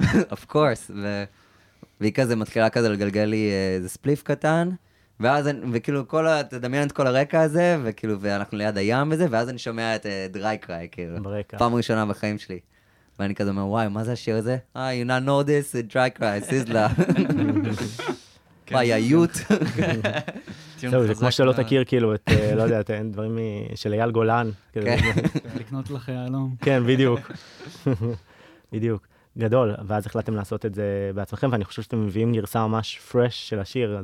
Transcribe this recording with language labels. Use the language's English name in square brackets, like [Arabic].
[English] of course, [Hebrew] והיא כזה מתחילה כזה לגלגל לי איזה ספליף קטן, ואז אני, וכאילו, תדמיין את כל הרקע הזה, וכאילו, ואנחנו ליד הים וזה, ואז אני שומע את דרי קריי, כאילו, ברקע. פעם ראשונה בחיים שלי, ואני כזה אומר, וואי, מה זה השיר הזה? [English] Oh, you not know this, it's dry cry, סיזלה. [Hebrew] וואי, היוט. זהו, זה כמו שלא תכיר, כאילו, את, לא יודע, את דברים של אייל גולן. לקנות לך יעלום. כן, בדיוק. בדיוק. גדול. ואז החלטתם לעשות את זה בעצמכם, ואני חושב שאתם מביאים גרסה ממש פרש של השיר.